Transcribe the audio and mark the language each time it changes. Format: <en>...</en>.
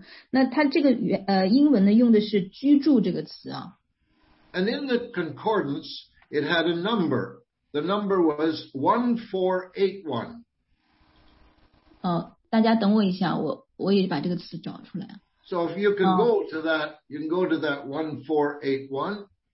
<zh>那他这个英文呢用的是居住这个词啊。</zh> <en>And in the concordance, it had a number. The number was 1481.</en> <zh>大家等我一下，我也把这个词找出来。</zh> <en>So if you can go to that, you can go to that 1481.</en>